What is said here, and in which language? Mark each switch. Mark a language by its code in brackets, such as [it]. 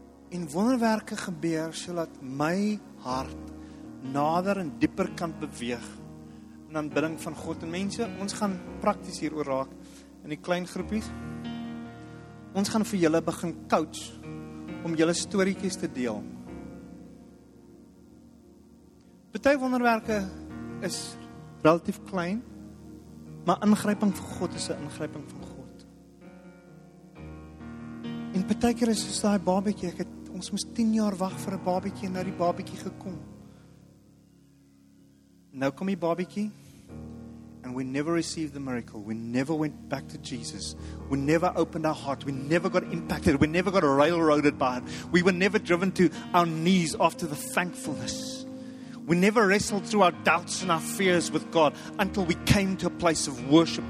[af] En wonderwerke gebeur sodat my hart nader en dieper kan beweeg in aanbidding van God. En mense, ons gaan prakties hieroor raak in die klein groepies. Ons gaan vir julle begin coach om julle storietjies te deel. Party wonderwerke is relatief klein. Maar ingryping van God is 'n ingryping van God. En partykeer is soos daai babietjie, ons moes 10 jaar wag vir 'n babietjie en nou die babietjie gekom. Nou kom die babietjie [en] and we never received the miracle. We never went back to Jesus. We never opened our heart. We never got impacted. We never got railroaded by him. We were never driven to our knees after the thankfulness. We never wrestled through our doubts and our fears with God until we came to a place of worship.